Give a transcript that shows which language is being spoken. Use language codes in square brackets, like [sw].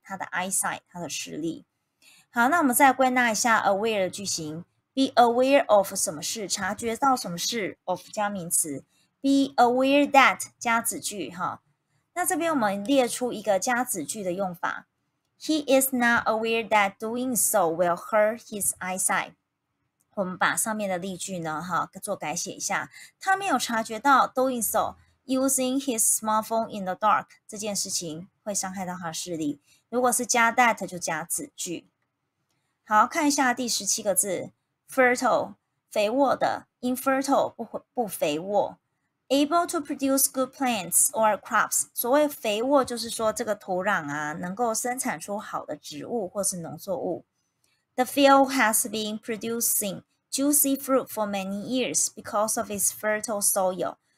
[zh] 他的 eyesight 他的视力。好，那我们再归纳一下 aware 的句型。 [en] Be aware of [zh] 什么事，察觉到什么事 ,of 加名词。 [en] Be aware that [zh] 加子句哈。那这边我们列出一个加子句的用法。 [en] He is not aware that doing so will hurt his eyesight. [zh] 我们把上面的例句呢哈做改写一下。他没有察觉到 [en] doing so using his smartphone in the dark [zh] 这件事情会伤害到他视力。如果是加 that 就加子句。好，看一下第十七个字 fertile 肥沃的 infertile 不肥沃。 [en] Able to produce good plants or crops. [zh] 所谓肥沃就是说这个土壤啊能够生产出好的植物或是农作物。 [en] The field has been producing juicy fruit for many years because of its fertile soil.